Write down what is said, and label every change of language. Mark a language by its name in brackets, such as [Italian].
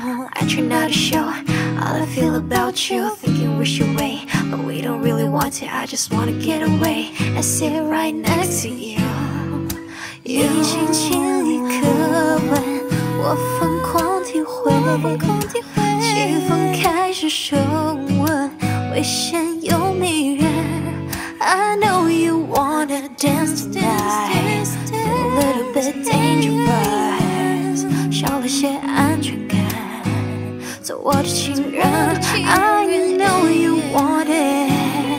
[English] I try not to show all I feel about you, thinking wish you away, but we don't really want to. I just wanna get away. I sit right next to you. [Chinese] 你轻轻一个吻，我疯狂体会，气氛开始升温，危险又迷人。 [English] I know you wanna dance tonight， feel a little bit dangerous， [Chinese] 少了些安全感，做我的情人。 [English] I know you want it。